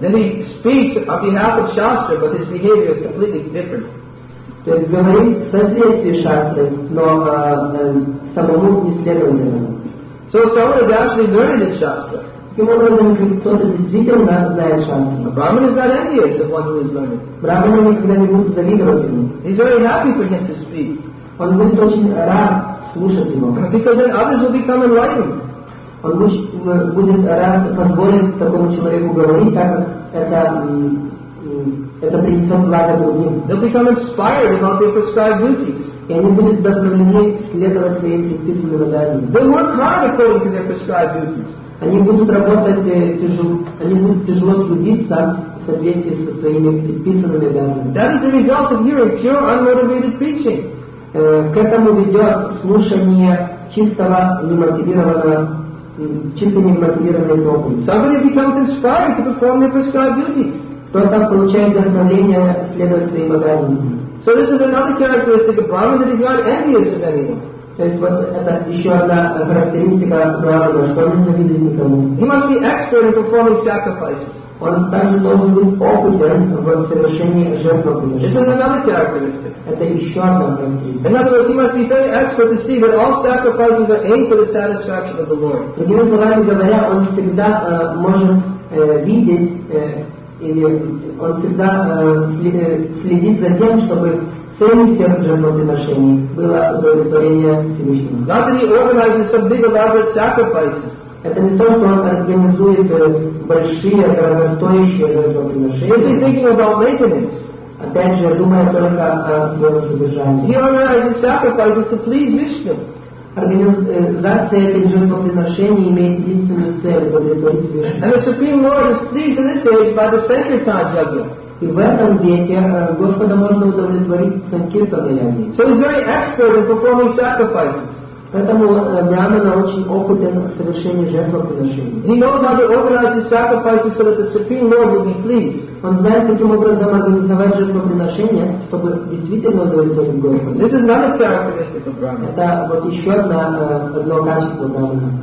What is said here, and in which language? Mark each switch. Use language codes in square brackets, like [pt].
[en] Then he speaks on behalf of Shastra, but his behavior is completely different. [ru] То есть говорит в соответствии шастры, но самому исследованному. [en] So someone is actually learned in Shastra. [ru] Таким образом, кто-то действительно знает шастру. [en] A Brahman is not envious of one who is learning. [ru] Брахманы никогда не будут завидовать ему. [en] He's very happy for him to speak. [ru] Он будет очень рад слушать его. [en] Because then others will become enlightened. [ru] Он будет рад позволить такому человеку говорить, так как это принесет благо другим. [en] They'll become inspired about their prescribed duties. [ru] И они будут вдохновлены следовать своим предписанным обязанностям. [en] They'll work hard according to their prescribed duties. [ru] Они будут работать тяжело трудиться в соответствии со своими предписанными обязанностями. [en] That is the result of hearing pure unmotivated preaching. [ru] К этому ведет слушание чистого, немотивированного. [en] Somebody becomes inspired to perform their prescribed duties. [ru] Кто-то получает вдохновение следовать своим обязанностям. [en] So this is another characteristic of Brahman, that he's not envious of anyone. [ru] То есть вот это еще одна характеристика Брахмана, что он не завидует никому. [en] He must be expert in performing sacrifices. [ru] Он также должен быть опытен в совершении жертвоприношения. [en] This is another characteristic. [ru] Это еще одна характеристика. [en] In other words, he must be very expert to see that all sacrifices are aimed for the satisfaction of the Lord. [ru] Другими словами говоря, он всегда может видеть, или он всегда следит за тем, чтобы целью всех жертвоприношений было удовлетворение Всевышнего. [en] Not that he organizes some big elaborate sacrifices. [ru] Это не то, что он организует большие, дорогостоящие жертвоприношения. Опять же, думая только о своем содержании. [en] He organizes sacrifices to please Vishnu. [ru] Организация этих жертвоприношений имеет единственную цель — удовлетворить Вишну. [en] And the Supreme Lord is pleased in this age by the Sankirtan Yajna. [ru] И в этом веке Господа можно удовлетворить санкиртана яги. [en] So he's very expert in performing sacrifices. [ru] Поэтому Брахмана очень опытен в совершении жертвоприношений. [en] He knows how to organize his sacrifices so that the Supreme Lord will be pleased. [ru] Он знает, каким образом организовать жертвоприношение, чтобы действительно удовлетворить Господа. [en] This is another characteristic of Brahman. [ru] Это вот еще одно качество Брахмана.